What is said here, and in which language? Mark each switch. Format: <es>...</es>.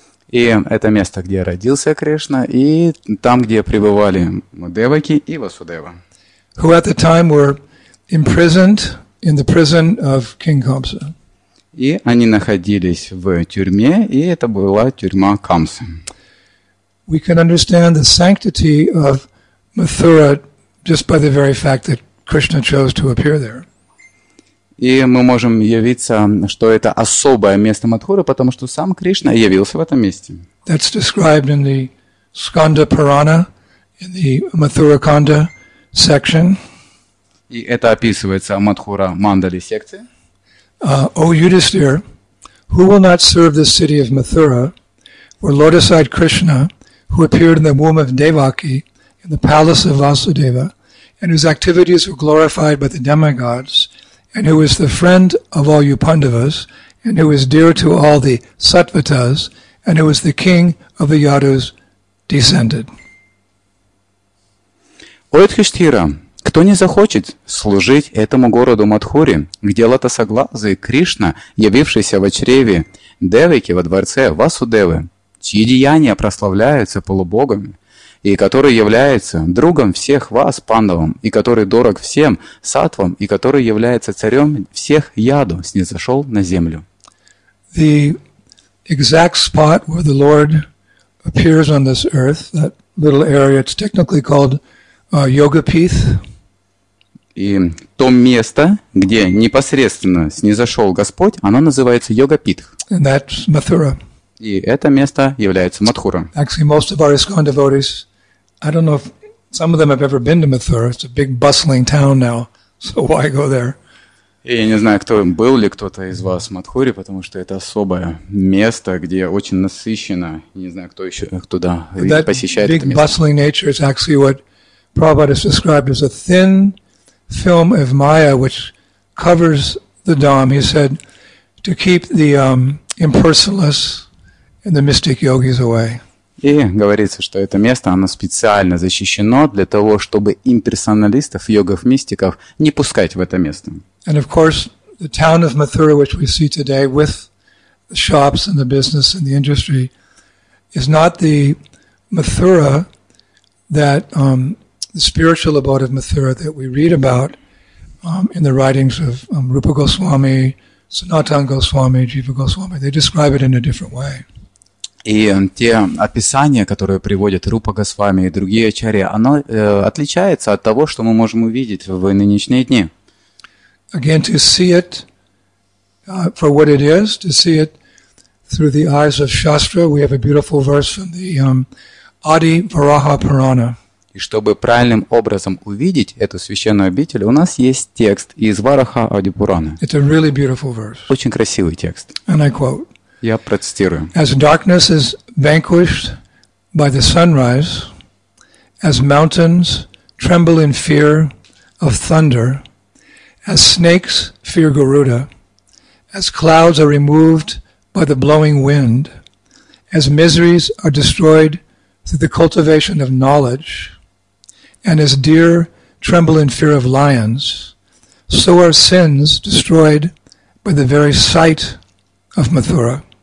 <ru>И это место, где родился Кришна, и там, где пребывали Деваки и Васудева.</ru> <en>Who at the time were imprisoned in the prison of King Kamsa.</en> <ru>И они находились в тюрьме, и это была тюрьма Камсы.</ru> <en>we can understand the sanctity of Mathura just by the very fact that Krishna chose to appear there.</en> <ru>И мы можем явиться, что это особое место Матхуры, потому что сам Кришна явился в этом месте.</ru> <en>That's described in the Skanda Purana, in the Mathura Kanda section.</en> <ru>И это описывается в Матхура Мандали секции.</ru> <en>O Yudhisthira, who will not serve the city of Mathura, where lotus-eyed Krishna, who appeared in the womb of Devaki, in the palace of Vasudeva, and whose activities were glorified by the demigods, and who is the friend of all you Pandavas, and who is dear to all the Satvatas, and who is the king of the Yadus descended.</en> <ru>О Юдхиштхира, кто не захочет служить этому городу Матхуре, где лотосоглазый Кришна, явившийся в чреве Девики во дворце Васудевы, чьи деяния прославляются полубогами, и который является другом всех вас, Пандавам, и который дорог всем сатвам, и который является царем всех яду, снизошел на землю.</ru> <en>The exact spot where the Lord appears on this earth, that little area, it's technically called Yogapith.</en> <ru>И то место, где непосредственно снизошел Господь, оно называется Йогапитх.</ru> <en>And that's Mathura.</en> <ru>И это место является Матхура.</ru> <en>Actually, most of our ISKCON devotees, I don't know if some of them have ever been to Mathura. It's a big bustling town now, so why go there?</en> <ru>Я не знаю, кто был ли кто-то из вас в Матхуре, потому что это особое место, где очень насыщено. Не знаю, кто еще туда посещает это место.</ru> <en>That big bustling nature is actually what Prabhupada has described as a thin film of Maya, which covers the Dham. He said to keep the impersonalists and the mystic yogis away.</en> <ru>И говорится, что это место, оно специально защищено для того, чтобы имперсоналистов, йогов, мистиков не пускать в это место.</ru> <en>And of course, the town of Mathura, which we see today with the shops and the business and the industry, is not the Mathura that the spiritual abode of Mathura that we read about in the writings of Rupa Goswami, Sanatan Goswami, Jiva Goswami. They describe it in a different way.</en> <ru>И те описания, которые приводят Рупа Госвами и другие ачарьи, оно отличается от того, что мы можем увидеть в нынешние дни.</ru> <en>Again, to see it for what it is, to see it through the eyes of Shastra, we have a beautiful verse from the Adi Varaha Purana.</en> <ru>И чтобы правильным образом увидеть эту священную обитель, у нас есть текст из Вараха Ади Пурана.</ru> <en>It's a really beautiful verse.</en> <ru>Очень красивый текст.</ru> <en>And I quote.</en> <ru>Я процитирую.</ru> <en>As darkness is vanquished by the sunrise, as mountains tremble in fear of thunder, as snakes fear Garuda, as clouds are removed by the blowing wind, as miseries are destroyed through the cultivation of knowledge, and as deer tremble in fear of lions, so are sins destroyed by the very sight of Mathura.</en>